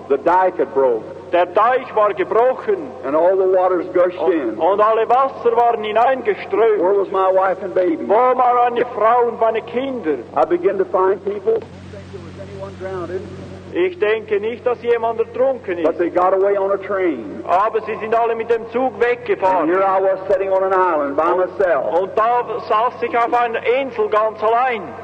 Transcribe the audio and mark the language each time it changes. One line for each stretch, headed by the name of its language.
English: The dike had broken.
German: Der Deich war gebrochen.
English: And all the waters gushed in.
German: Und alle Wasser waren hineingeströmt.
English: Where was my wife and baby?
German: Wo waren meine Frau und meine Kinder?
English: I began to find people. I don't think there was anyone drowned.
German: Ich denke nicht, dass jemand ertrunken ist.
English: But they got away on a train.
German: Aber sie sind alle mit dem Zug weggefahren.
English: And here I was sitting on an island by myself.
German: Und da saß ich auf einer Insel ganz allein.